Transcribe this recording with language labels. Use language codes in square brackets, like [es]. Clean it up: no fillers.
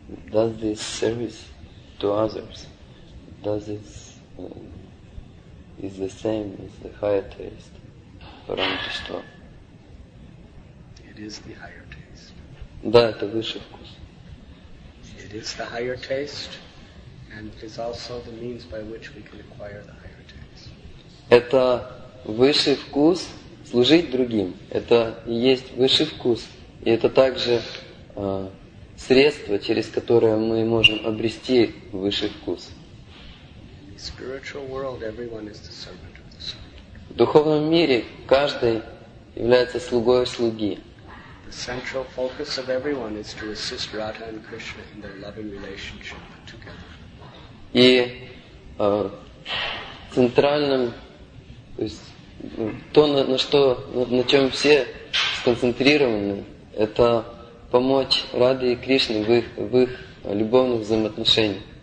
[en] Does this service to others? Does it is the same as the higher taste param Vishwa? It is the higher taste. [ru] Да, это высший вкус. [en] It is the higher taste. And it is also the means by which we can acquire the higher taste. [ru] Это высший вкус служить другим. Это и есть высший вкус. И это также средство, через которое мы можем обрести высший вкус. [en] In the spiritual world, everyone is the servant of the soul. [ru] В духовном мире каждый является слугой слуги. [en] The central focus of everyone is to assist Radha and Krishna in their loving relationship together. [ru] И центральным, то есть то, на чем все сконцентрированы, это помочь Раде и Кришне в их любовных взаимоотношениях.